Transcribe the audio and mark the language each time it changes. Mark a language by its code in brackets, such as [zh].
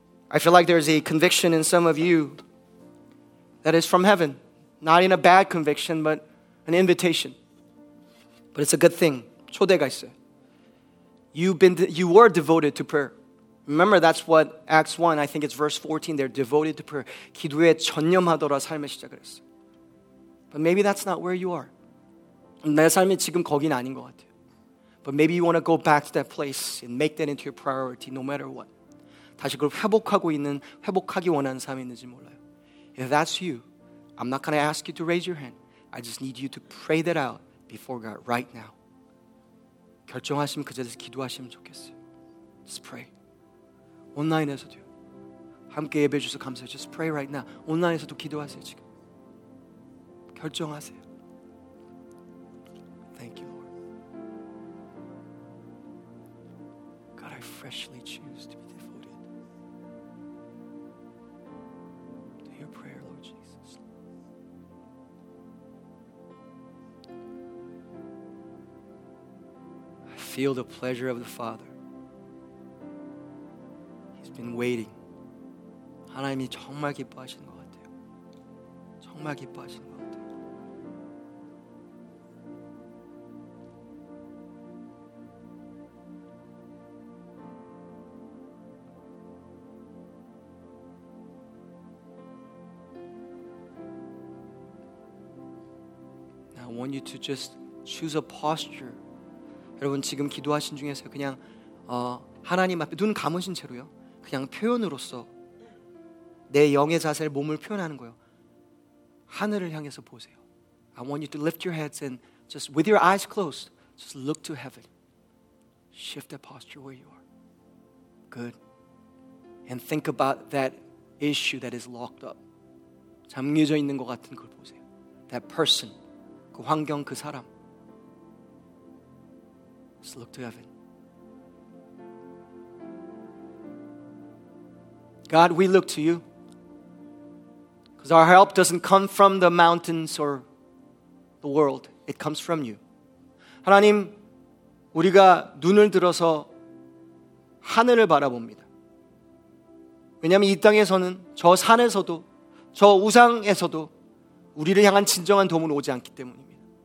[en] I feel like there's a conviction in some of you that is from heaven. Not in a bad conviction, but an invitation. But it's a good thing. [ko] 초대가 있어요. [en] You were devoted to prayer. Remember, that's what Acts 1, I think it's verse 14, they're devoted to prayer. [ko] 기도에 전념하더라 삶을 시작을 했어요. [en] But maybe that's not where you are. [ko] 내 삶이 지금 거긴 아닌 것 같아요. [en] But maybe you want to go back to that place and make that into your priority no matter what. [ko] 다시 그걸 회복하고 있는, 회복하기 원하는 사람이 있는지 몰라요. [en] If that's you, I'm not going to ask you to raise your hand. I just need you to pray that out before God right now. [ko] 결정하시면 그 자리에서 기도하시면 좋겠어요. [en] Just pray. [ko] 온라인에서도 함께 예배 주셔서 감사해요. [en] Just pray right now. [ko] 온라인에서도 기도하세요 지금. 결정하세요. [en] Thank you, Lord. God, I freshly choose to be devoted to your prayer, Lord Jesus. I feel the pleasure of the Father. Been waiting. [ko] 하나님이 정말 기뻐하시는 것 같아요. 정말 기뻐하시는 것 같아요. [en] Now I want you to just choose a posture. [ko] 여러분 지금 기도하신 중에서 그냥 하나님 앞에 눈 감으신 채로요. 그냥 표현으로서 내 영의 자세를 몸을 표현하는 거예요. 하늘을 향해서 보세요. [en] I want you to lift your heads and just with your eyes closed, just look to heaven. Shift that posture where you are. Good. And think about that issue that is locked up. [ko] 잠겨져 있는 것 같은 걸 보세요. [en] That person, [ko] 그 환경, 그 사람. [en] Just look to heaven. God, we look to you because our help doesn't come from the mountains or the world. It comes from you. [ko] 하나님, 우리가 눈을 들어서 하늘을 바라봅니다. 왜냐하면 이 땅에서는 저 산에서도 저 우상에서도 우리를 향한 진정한 도움은 오지 않기 때문입니다.